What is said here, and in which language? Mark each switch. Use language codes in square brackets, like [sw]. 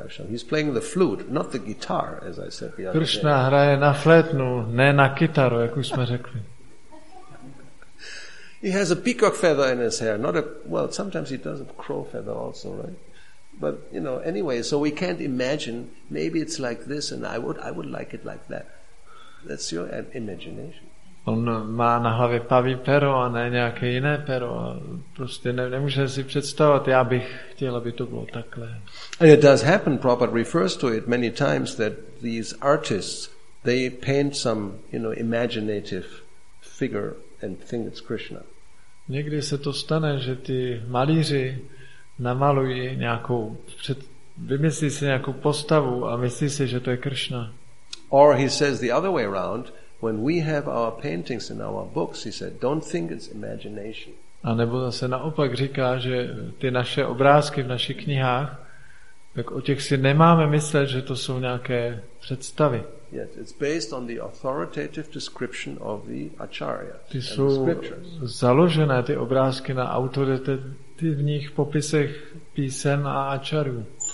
[en] He's playing the flute, not the guitar, as I said. [cs] Krishna hraje na flétnu, ne na kytaru, jak už jsme řekli. [en] He has a peacock feather in his hair, not a, well, sometimes he does a crow feather also, right? But, you know, anyway, so we can't imagine, maybe it's like this and I would like it like that. That's your imagination. [cs] On má na hlavě paví pero a ne nějaké jiné pero. Prostě nemůže si představit, já bych chtěl, aby to bylo takhle. [en] And it does happen, Prabhupada refers to it many times, that these artists, they paint some, you know, imaginative figure and think it's Krishna. [cs] Někdy se to stane, že ty malíři namalují nějakou, vymyslí si nějakou postavu a myslí si, že to je Krishna. [en] Or he says the other way around, when we have our paintings in our books, he said, don't think it's imagination. [cs] A nebo zase naopak říká, že ty naše obrázky v našich knihách, tak o těch si nemáme myslet, že to jsou nějaké představy. [en] Yes, it's based on the authoritative description of the acharya. [cs] Ty jsou založené ty obrázky na autoritativních popisech písem a acharyů.